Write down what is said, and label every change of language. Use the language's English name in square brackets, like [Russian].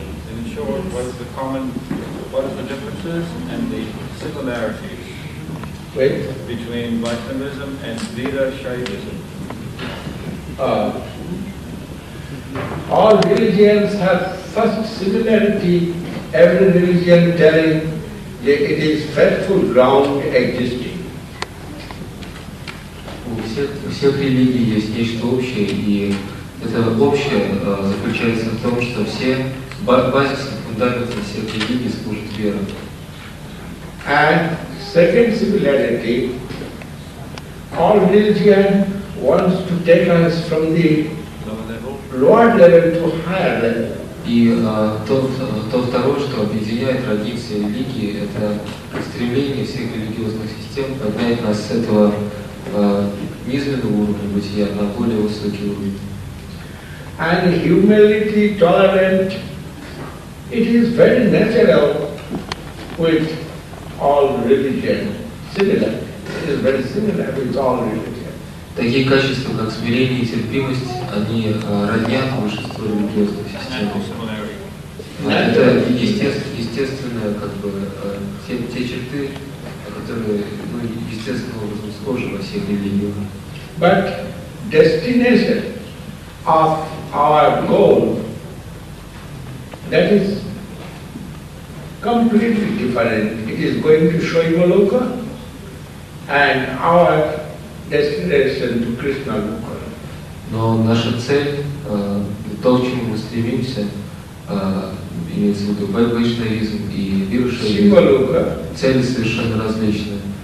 [English] In short, what is the common, what are the differences and the similarities between Vaishnavism and Virashaivism? All religions have such similarity, every religion telling that it is faithful ground existing. [Russian] У всех религий есть нечто общее, и это общее заключается в том, что все базис и фундамент всех религий служит вера. [English] And second similarity, all religion wants to take us from the lower level to higher level. [Russian] И то второе, что объединяет традиции религии, это стремление всех религиозных систем поднять нас с этого низменного уровня бытия на более высокий уровень. [English] And humility, tolerance. It is very natural with all religion. Similar. It is very similar with all religion. [Russian] Такие качества, как смирение и терпимость, они роднят большинство религиозных систем. Это естественное, как бы, те черты, которые, ну, естественным образом схожи во всех религиях. [English] But destination of our goal, that is completely different. It is going to Shaivaloka and our destination to Krishna Loka. [Russian] Но наша цель, то, к чему мы стремимся, имеется в виду Вайшнавизм и Вирушнавизм, цели совершенно различны.